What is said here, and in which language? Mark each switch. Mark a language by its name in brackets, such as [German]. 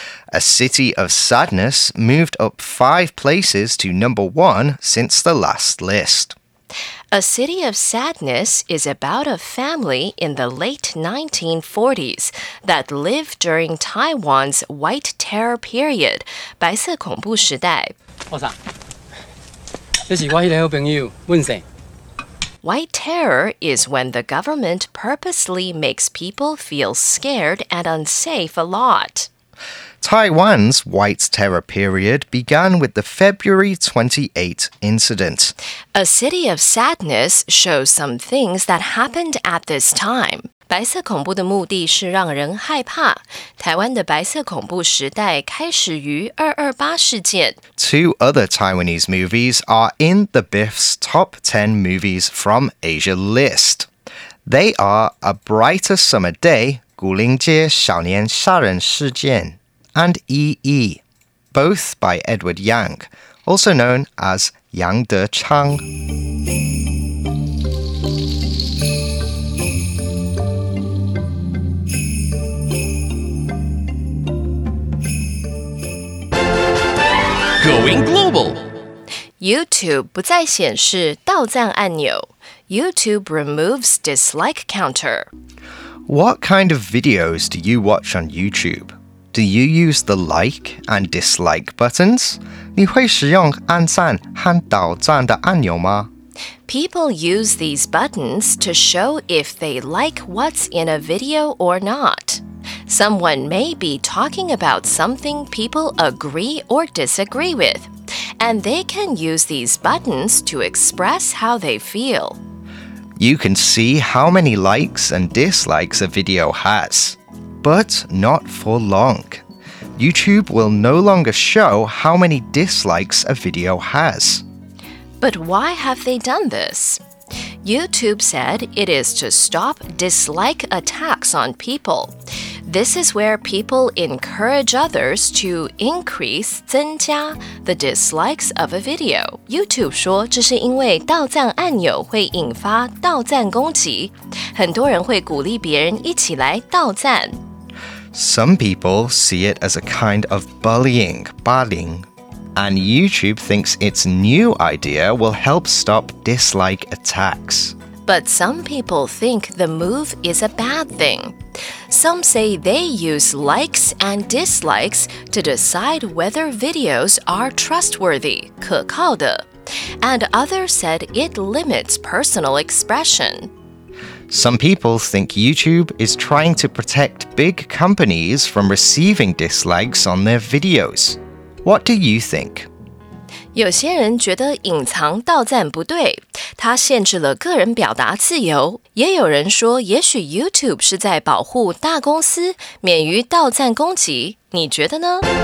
[English] A City of Sadness moved up 5 places to number 1 since the last list. A City of Sadness is about a family in the late 1940s that lived during Taiwan's White Terror period, 白色恐怖时代。 [Chinese] 我啥？这是我一个好朋友，问谁？ [English] White terror is when the government purposely makes people feel scared and unsafe a lot. Taiwan's White Terror period began with the February 28 incident. A City of Sadness shows some things that happened at this time. [Chinese] 白色恐怖的目的是让人害怕。台湾的白色恐怖时代开始于二二八事件。 [English] Two other Taiwanese movies are in the BIFF's top 10 movies from Asia list. They are A Brighter Summer Day, 牯嶺街少年殺人事件。 And E.E., both by Edward Yang, also known as Yang De-chang. Going global! [Chinese] YouTube 不再显示倒讚按鈕 [English] YouTube removes dislike counter. What kind of videos do you watch on YouTube? Do you use the like and dislike buttons? [Chinese] 你会使用按赞和倒赞的按钮吗? [English] People use these buttons to show if they like what's in a video or not. Someone may be talking about something people agree or disagree with, and they can use these buttons to express how they feel. You can see how many likes and dislikes a video has. But not for long. YouTube will no longer show how many dislikes a video has. But why have they done this? YouTube said it is to stop dislike attacks on people. This is where people encourage others to increase 增加, the dislikes of a video. [Chinese] YouTube 说这是因为倒赞按钮会引发倒赞攻击。很多人会鼓励别人一起来倒赞。 [English] Some people see it as a kind of bullying, 霸凌, and YouTube thinks its new idea will help stop dislike attacks. But some people think the move is a bad thing. Some say they use likes and dislikes to decide whether videos are trustworthy, 可靠的, and others said it limits personal expression. Some people think YouTube is trying to protect big companies from receiving dislikes on their videos. What do you think? [Chinese] 有些人觉得隐藏倒讚不对，它限制了个人表达自由，也有人说也许 YouTube 是在保护大公司免于倒讚攻击，你觉得呢？